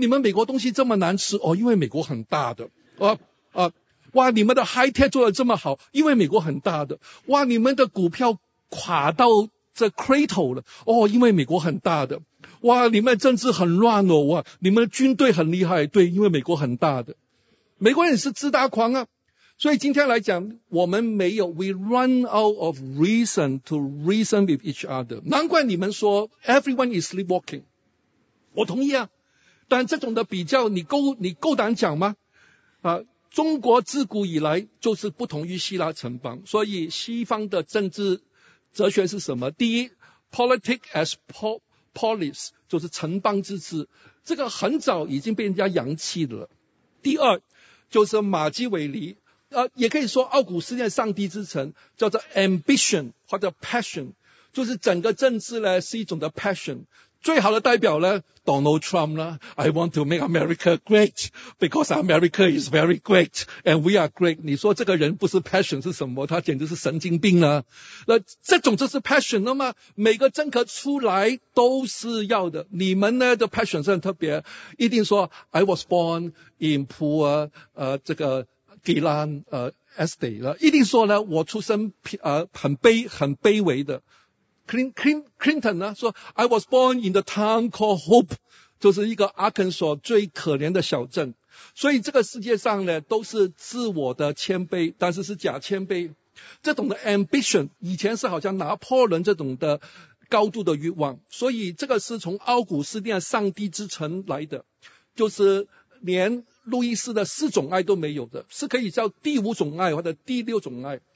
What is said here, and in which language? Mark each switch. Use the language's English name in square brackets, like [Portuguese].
[Chinese] 你们美国东西这么难吃哦，因为美国很大的哦啊。哇，你们的 high tech 做得这么好，因为美国很大的。哇，你们的股票垮到这 cradle 了，哦，因为美国很大的。哇，你们政治很乱哦，哇，你们军队很厉害，对，因为美国很大的。美国人是自大狂啊，所以今天来讲，我们没有 [English] we run out of reason to reason with each other。 [Chinese] 难怪你们说 [English] everyone is sleepwalking， [Chinese] 我同意啊，但这种的比较，你够胆讲吗？啊？中国自古以来就是不同于希腊城邦，所以西方的政治哲学是什么？第一 ， [English] politics as polis， [Chinese] 就是城邦自治，这个很早已经被人家扬弃了。第二，就是马基韦利，也可以说奥古斯丁的上帝之城，叫做 ambition 或者 passion，就是整个政治呢是一种的 passion。 [English] 最好的代表呢 ,Donald Trump 呢 ,I want to make America great, because America is very great, and we are great. [Chinese] 你说这个人不是 passion 是什么，他简直是神经病啊。那这种就是 passion 了吗？每个政客出来都是要的。你们呢的 passion 是很特别，一定说 , [English] I was born in poor, [Chinese] 这个 Gilan, estate 了。一定说呢我出生很卑微的。 Clinton 呢说 , [English] I was born in the town called Hope, [Chinese] 就是一个 Arkansas 最可怜的小镇。所以这个世界上呢都是自我的谦卑，但是是假谦卑。这种的 ambition, 以前是好像拿破仑这种的高度的欲望。所以这个是从奥古斯丁上帝之城来的，就是连路易斯的四种爱都没有的，是可以叫第五种爱或者第六种爱。